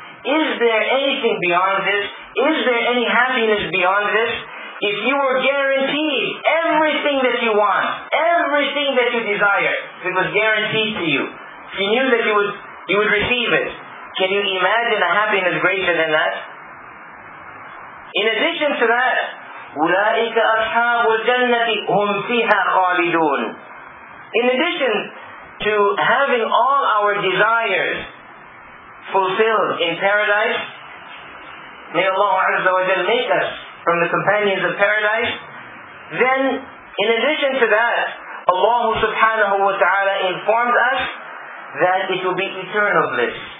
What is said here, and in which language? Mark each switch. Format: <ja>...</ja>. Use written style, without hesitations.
<en>Is there anything beyond this? Is there any happiness beyond this? If you were guaranteed everything that you want, everything that you desire, if it was guaranteed to you, if you knew that you would receive it, can you imagine a happiness greater than that? In addition to that,</en> <ar>أولئك أصحاب الجنة هم فيها خالدون.</ar> <en>In addition to having all our desires fulfilled in paradise, may Allah Azza wa Jalla make us from the companions of paradise, then in addition to that, Allah subhanahu wa ta'ala informs us that it will be eternal bliss.</en>